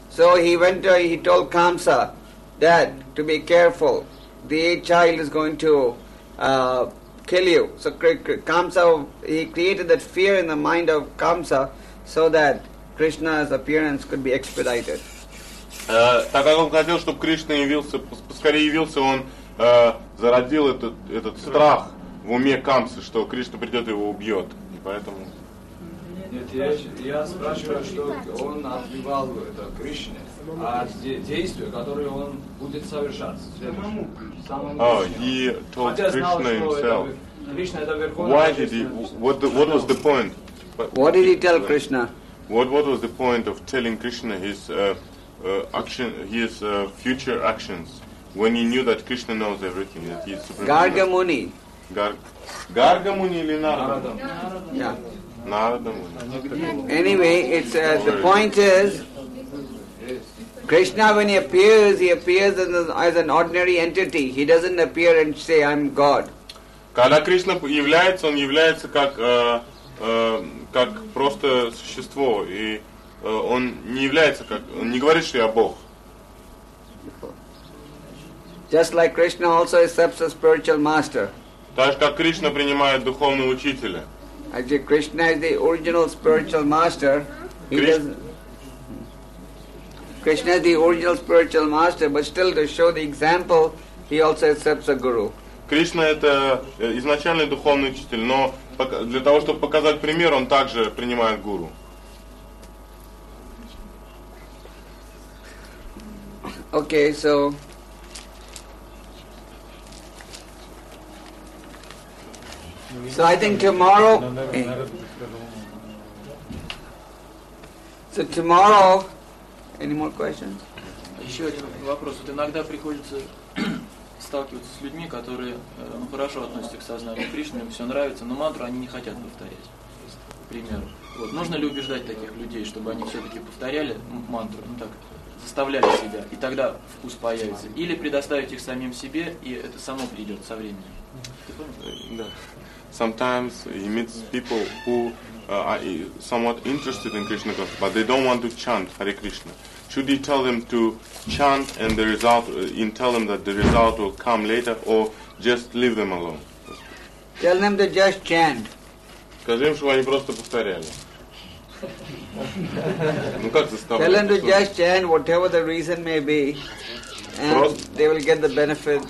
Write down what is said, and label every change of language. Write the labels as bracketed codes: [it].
[en] So he went to, he told Kamsa that to be careful, the child is going to kill you. So Kamsa, he created that fear in the mind of Kamsa so that Krishna's appearance could be expedited. [ru] Так как он хотел, чтобы Кришна явился, поскорее явился, он зародил этот страх в уме Камсы, что Кришна придет и его убьет. И поэтому... Нет, я спрашиваю, что он отбивал это Кришне, а действия, которые он будет совершать. [en] Oh, he told Krishna himself. [ru] Кришна это верховный. [en] Why did he? What was the point? What did he tell Krishna? What was the point of telling Krishna his action, his future actions, when he knew that Krishna knows everything, that he is supreme. Garga Muni. [ru] Garga Muni или Narada? [en] Yeah. Narada Muni. Anyway, it's the point is, Krishna when he appears as an ordinary entity. He doesn't appear and say, "I'm God." [ru] Когда Кришна появляется, он является как просто существо и он не является как, он не говорит, что я Бог. [en] Just like Krishna also accepts a spiritual master. [ru] Так же как Кришна принимает духовного учителя. [en] Actually, Krishna is the original spiritual master. Krishna is the original spiritual master, but still to show the example, he also accepts a guru. [ru] Кришна это изначальный духовный учитель, но для того, чтобы показать пример, он также принимает гуру. [en] Okay, so I think tomorrow. So tomorrow, any more questions? [ru] Еще один вопрос. Вот иногда приходится сталкиваться с людьми, которые хорошо относятся к сознанию Кришны, им все нравится, но мантру они не хотят повторять. К примеру. Вот нужно ли убеждать таких людей, чтобы они все-таки повторяли мантру? Ну так. Заставляли себя, и тогда вкус появится. Или предоставить их самим себе, и это само придет со временем. Ты понял? Да. [en] Sometimes he meets people who are somewhat interested in Krishna consciousness, but they don't want to chant Hare Krishna. Should he tell them to chant and the result, and tell them that the result will come later, or just leave them alone? Tell them to just chant. [ru] Скажи им, чтобы они просто повторяли. Ну как заставлять? [en] Tell them to just chant whatever the reason may be, and they will get the benefit.